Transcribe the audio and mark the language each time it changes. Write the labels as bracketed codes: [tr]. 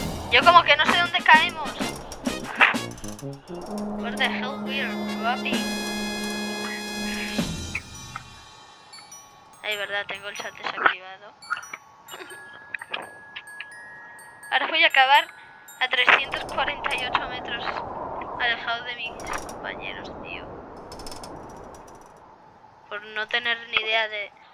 [es] Yo como que no sé dónde caemos. [en] Where the hell we are dropping? [es] Ay, verdad, tengo el chat desactivado. Ahora voy a acabar a 348 metros alejado de mis compañeros, tío. Por no tener ni idea de...